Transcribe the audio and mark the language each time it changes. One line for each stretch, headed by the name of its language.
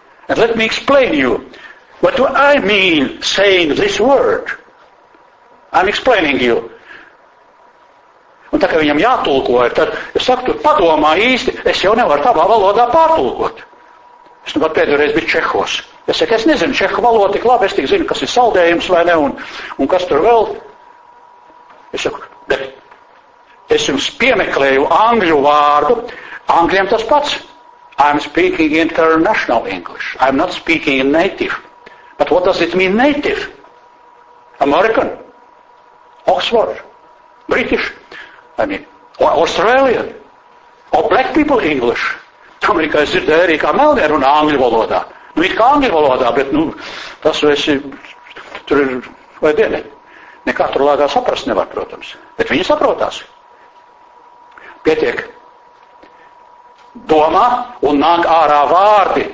English: And let me explain you, what do I mean saying this word? I'm explaining you.
Latvian: Un tā kā viņam jātulkoja, tad es saku, tur padomā īsti, es jau nevaru tavā valodā pārtulkot. Es nu pat pēdējo reizi biju Čehos. Es saku, es nezinu Čehu valodu tik labi, es tik zinu, kas ir saldējums vai ne, un kas tur vēl. Es saku, bet... Es jums piemeklēju angļu vārdu, angļiem tas pats.
English: I'm speaking international English. I'm not speaking native. But what does it mean native? American? Oxford? British? I mean, or Australian? Or black people English?
Latvian: Amerikā es dzirdēju arī kā melnie runā angļu valodā. Nu, it kā angļu valodā, bet, nu, tas esi, tur ir, vai dienē, nekā tur lādā saprast nevar, protams. Bet viņi saprotās. Pietiek. Domā un nāk ārā vārdi.